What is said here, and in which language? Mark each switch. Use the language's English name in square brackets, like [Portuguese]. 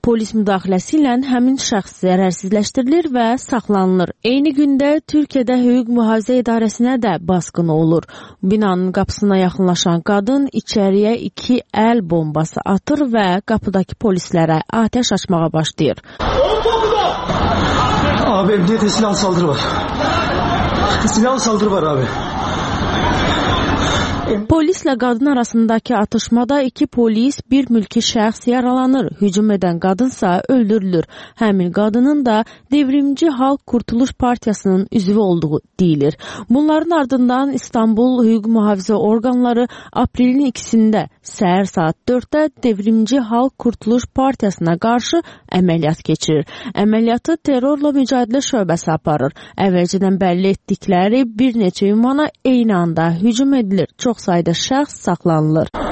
[Azerbaijani] Polis müdaxiləsi ilə həmin şəxs zərərsizləşdirilir və saxlanılır. Eyni gündə Türkiyədə Hüquq Mühafizə İdarəsinə də basqın olur. Binanın qapısına yaxınlaşan qadın içəriyə 2 əl bombası atır və qapıdakı polislərə atəş açmağa başlayır. [Turkish] Abi emniyete silah saldırı var. Silah saldırı var abi. [Azerbaijani] Polislə qadın arasındakı atışmada iki polis, bir mülki şəxs yaralanır. Hücum edən qadınsa öldürülür. Həmin qadının da Devrimci Halk Qurtuluş Partiyasının üzvü olduğu deyilir. Bunların ardından İstanbul Hüquq Mühafizə Orqanları aprelin 2-sində səhər saat 4-də Devrimci Halk Qurtuluş Partiyasına qarşı əməliyyat keçirir. Əməliyyatı terrorla mücadilə şöbəsi aparır. Əvvəlcədən bəlli etdikləri bir neçə ünvana eyni anda hücum edilir. Çox sayda şəxs saxlanılır.